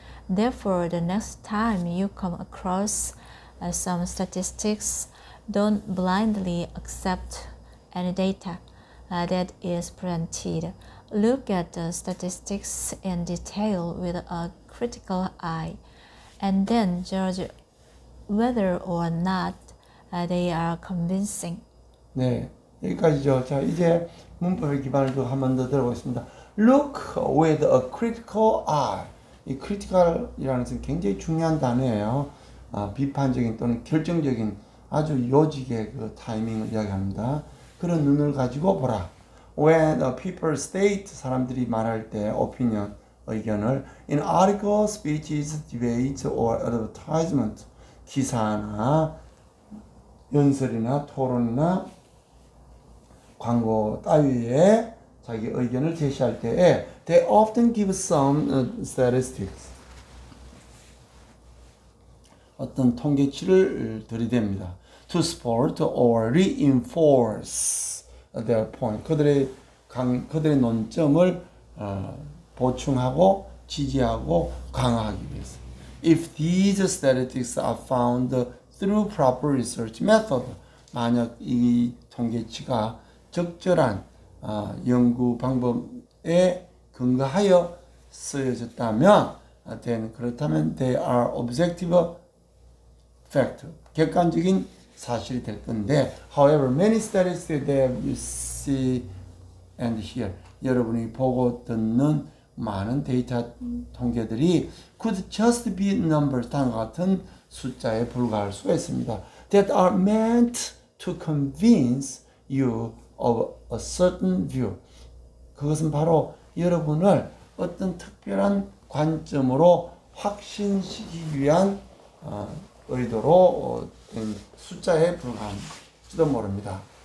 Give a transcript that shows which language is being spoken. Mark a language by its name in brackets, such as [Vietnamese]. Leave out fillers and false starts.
[English] Therefore, the next time you come across some statistics, don't blindly accept any data that is presented. Look at the statistics in detail with a critical eye, and then judge whether or not they are convincing. [Korean] 네, 여기까지죠. 자, 이제 문법의 기반을 좀 한 번 더 들어보겠습니다. [English] Look with a critical eye. [Korean] 이 critical이라는 것은 굉장히 중요한 단어예요. 비판적인 또는 결정적인 아주 요직의 그 타이밍을 이야기합니다. 그런 눈을 가지고 보라. [English] When people state, [Korean] 사람들이 말할 때 opinion, 의견을 [English] in article, speeches, debates, or advertisement, [Korean] 기사나 연설이나 토론이나 광고 따위에 자기 의견을 제시할 때에 [English] they often give some statistics. [Korean] 어떤 통계치를 들이댑니다. [English] To support or reinforce their point. [Korean] 그들의 논점을 보충하고 지지하고 강화하기 위해서. [English] If these statistics are found through proper research method. [Korean] 만약 이 통계치가 적절한 연구 방법에 근거하여 쓰여졌다면, then 그렇다면 [English] they are objective fact, [Korean] 객관적인 사실이 될 건데, [English] however, many statistics that you see and hear, [Korean] 여러분이 보고 듣는 많은 데이터 통계들이 [English] could just be numbers, [Korean] 다음과 같은 숫자에 불과할 수 있습니다. [English] That are meant to convince you of a certain view. [Korean] 그것은 바로 여러분을 어떤 특별한 관점으로 확신시키기 위한 의도로 된 숫자에 불과한지도 모릅니다.